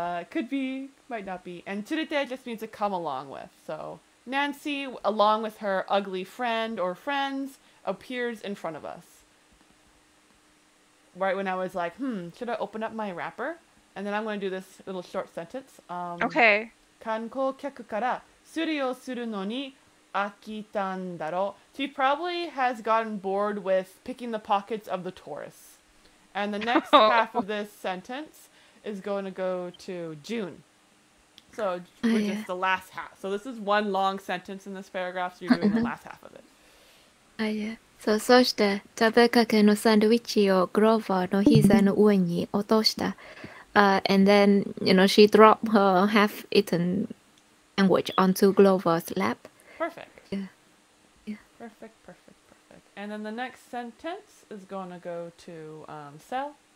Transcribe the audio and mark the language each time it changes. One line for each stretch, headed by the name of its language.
English: Could be, might not be. And tsurete just means to come along with. So Nancy, along with her ugly friend or friends, appears in front of us. Right when I was like, should I open up my wrapper? And then I'm going to do this little short sentence. Okay.
Japanese: 観光客 から釣りをするのに飽きたんだろう。
English: She probably has gotten bored with picking the pockets of the tourists. And the next half of this sentence is going to go to June. So we're just the last half. So this is one long sentence in this paragraph, so you're doing the last half of it.
Japanese: そして食べかけのサンドイッチをグローバーの膝の上に落とした。
English: And then, you know, she dropped her half-eaten sandwich onto Glover's lap. Perfect. Yeah. Perfect, perfect, perfect. And then the next sentence is going to go to Sel.